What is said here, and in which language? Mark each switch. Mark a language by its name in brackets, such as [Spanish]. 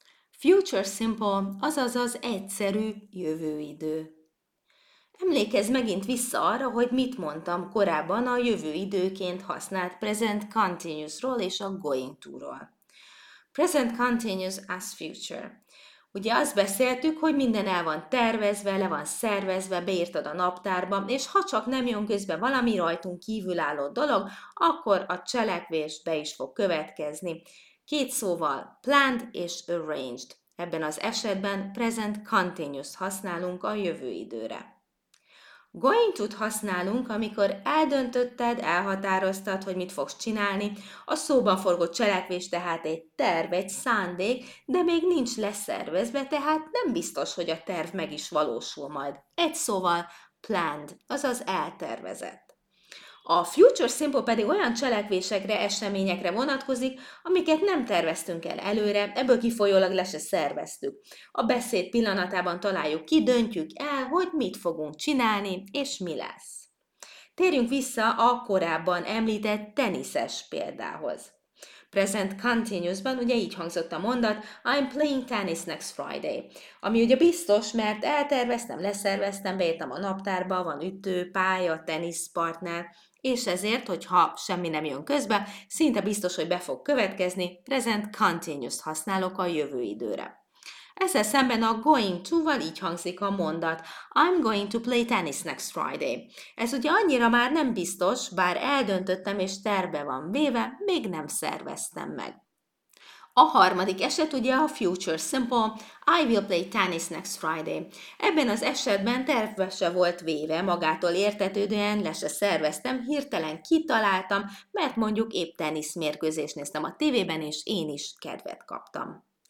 [Hungarian] Future simple, azaz az egyszerű jövőidő. Emlékezz megint vissza arra, hogy mit mondtam korábban a jövőidőként használt present continuous-ról és a going to-ról. [English] Present continuous as future. [Hungarian] Ugye azt beszéltük, hogy minden el van tervezve, le van szervezve, beírtad a naptárba, és ha csak nem jön közbe valami rajtunk kívülálló dolog, akkor a cselekvés be is fog következni. Két szóval, planned és arranged. Ebben az esetben present continuous használunk a jövő időre. Going to-t használunk, amikor eldöntötted, elhatároztad, hogy mit fogsz csinálni. A szóban forgó cselekvés tehát egy terv, egy szándék, de még nincs leszervezve, tehát nem biztos, hogy a terv meg is valósul majd. Egy szóval planned, azaz eltervezett. A future simple pedig olyan cselekvésekre, eseményekre vonatkozik, amiket nem terveztünk el előre, ebből kifolyólag le se szerveztük. A beszéd pillanatában találjuk ki, döntjük el, hogy mit fogunk csinálni, és mi lesz. Térjünk vissza a korábban említett teniszes példához. Present continuous-ban ugye így hangzott a mondat, [English] I'm playing tennis next Friday. [Hungarian] Ami ugye biztos, mert elterveztem, leszerveztem, beírtam a naptárba, van ütő, pálya, teniszpartner, és ezért, hogyha semmi nem jön közbe, szinte biztos, hogy be fog következni, present continuous-t használok a jövő időre. Ezzel szemben a going to-val így hangzik a mondat, [English] I'm going to play tennis next Friday. [Hungarian] Ez ugye annyira már nem biztos, bár eldöntöttem és terve van véve, még nem szerveztem meg. A harmadik eset ugye a future simple, [English] I will play tennis next Friday. [Hungarian] Ebben az esetben tervbe se volt véve, magától értetődően le se szerveztem, hirtelen kitaláltam, mert mondjuk épp teniszmérkőzést néztem a tévében, és én is kedvet kaptam.